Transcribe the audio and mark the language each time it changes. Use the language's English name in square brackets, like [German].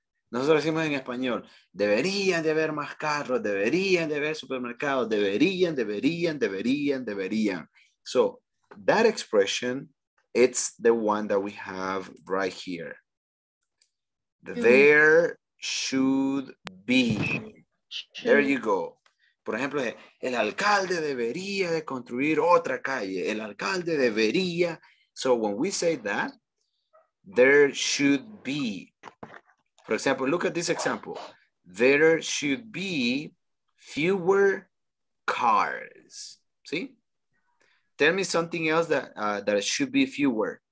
[Spanish] Nosotros decimos en español, deberían de haber más carros, deberían de haber supermercados, deberían. [English] So that expression, it's the one that we have right here. There should be. There you go. [Spanish] Por ejemplo, el alcalde debería de construir otra calle. El alcalde debería. [English] So when we say that, there should be. For example, look at this example. There should be fewer cars. See? Tell me something else that that should be fewer.